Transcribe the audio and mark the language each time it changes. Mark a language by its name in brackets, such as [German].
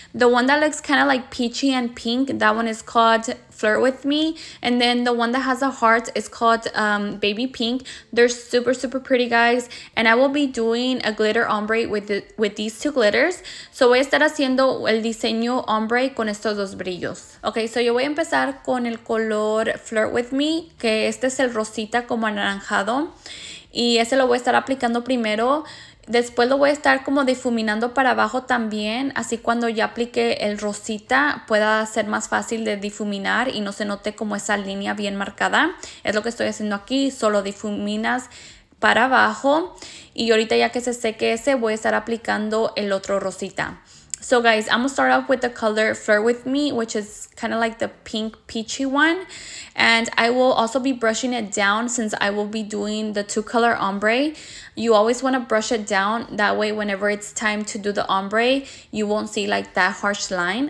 [English] The one that looks kind of like peachy and pink, that one is called Flirt With Me. And then the one that has a heart is called Baby Pink. They're super, super pretty, guys. And I will be doing a glitter ombre with these two glitters. [Spanish] So voy a estar haciendo el diseño ombre con estos dos brillos. Okay, so yo voy a empezar con el color Flirt With Me, que este es el rosita como anaranjado. Y ese lo voy a estar aplicando primero. Después lo voy a estar como difuminando para abajo también, así cuando ya aplique el rosita pueda ser más fácil de difuminar y no se note como esa línea bien marcada. Es lo que estoy haciendo aquí, solo difuminas para abajo, y ahorita ya que se seque ese voy a estar aplicando el otro rosita. [English] So guys, I'm gonna start off with the color Flirt With Me, which is kind of like the pink peachy one. And I will also be brushing it down since I will be doing the two color ombre. You always want to brush it down. That way, whenever it's time to do the ombre, you won't see like that harsh line.